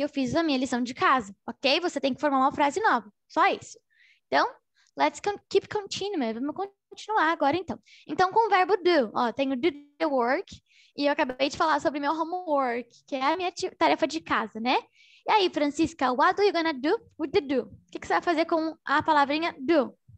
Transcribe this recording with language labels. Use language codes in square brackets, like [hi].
[pt] Eu fiz a minha lição de casa, ok? Você tem que formar uma frase nova, só isso. Então, [en] let's keep continuing. [pt] Vamos continuar agora, então. Então, com o verbo do, ó, tenho [en] do the work. [pt] E eu acabei de falar sobre meu homework, que é a minha tarefa de casa, né? E aí, [en] Francisca, what are you gonna do with the do? [pt] O que você vai fazer com a palavrinha do?